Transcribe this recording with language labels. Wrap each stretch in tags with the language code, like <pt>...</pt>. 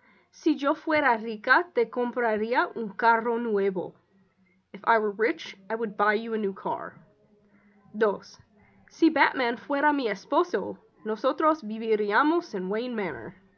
<es>Si yo fuera rica, te compraría un carro nuevo.</es> <en>If I were rich, I would buy you a new car.</en> <es>Dos. Si Batman fuera mi esposo, nosotros viviríamos en Wayne Manor.</es>